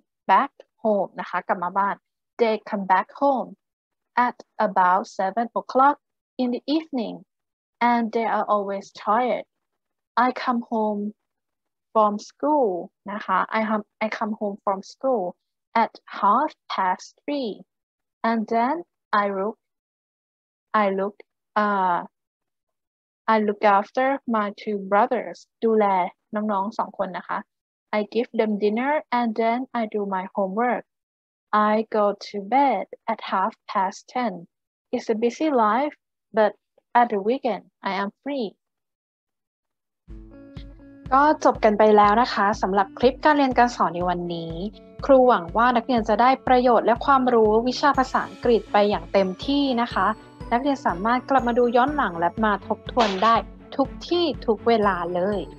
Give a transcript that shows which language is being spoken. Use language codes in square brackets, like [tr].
[en] backHome, [th] นะคะกลับมาบ้าน [en] They come back home at about 7 o'clock in the evening and they are always tired. I come home from school [th] นะคะ [en] I come home from school at 3:30 and then I look after my two brothers [th] ดูแลน้องๆ2คนนะคะ [en] I give them dinner and then I do my homework. I go to bed at 10:30. It's a busy life, but at the weekend I am free. [th] ก็จบกันไปแล้วนะคะสำหรับคลิปการเรียนการสอนในวันนี้ครูหวังว่านักเรียนจะได้ประโยชน์และความรู้วิชาภาษาอังกฤษไปอย่างเต็มที่นะคะนักเรียนสามารถกลับมาดูย้อนหลังและมาทบทวนได้ทุกที่ทุกเวลาเลย